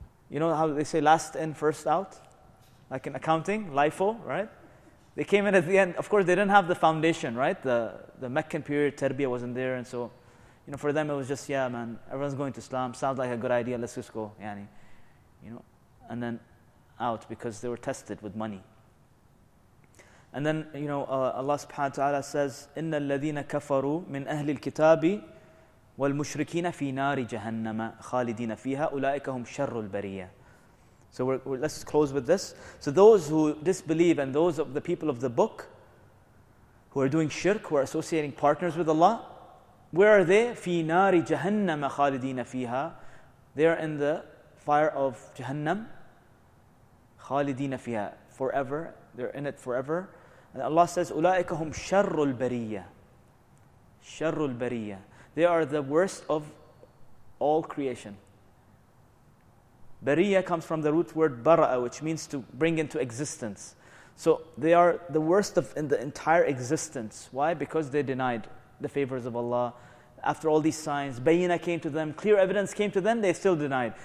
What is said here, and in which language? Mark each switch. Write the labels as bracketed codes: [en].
[en] You know how they say last in, first out? Like in accounting, LIFO, right? They came in at the end. Of course, they didn't have the foundation, right? The Meccan period, tarbiyah wasn't there, and so for them, it was just, everyone's going to Islam. Sounds like a good idea. Let's just go. And then out because they were tested with money. [ar] And then, Allah subhanahu wa ta'ala says, إِنَّ الَّذِينَ كَفَرُوا مِنْ أَهْلِ الْكِتَابِ وَالْمُشْرِكِينَ فِي نَارِ جَهَنَّمَ خَالِدِينَ فِيهَا أُولَئِكَ هُمْ شَرُّ الْبَرِيَّةِ. [en] So let's close with this. So those who disbelieve and those of the people of the book who are doing shirk, who are associating partners with Allah, where are they? [ar] فِي نَارِ جَهَنَّمَ خَالِدِينَ فِيهَا. [en] They are in the fire of Jahannam. [ar] خَالِدِينَ فِيهَا. [en] Forever. They're in it forever. And Allah says, [ar] أُولَٰئِكَ هُمْ شَرُّ الْبَرِيَّةِ. شَرُّ الْبَرِيَّةِ. [en] They are the worst of all creation. بَرِيَّة comes from the root word بَرَأَ, which means to bring into existence. So they are the worst of in the entire existence. Why? Because they denied the favors of Allah. After all these signs, bayina came to them, clear evidence came to them, they still denied.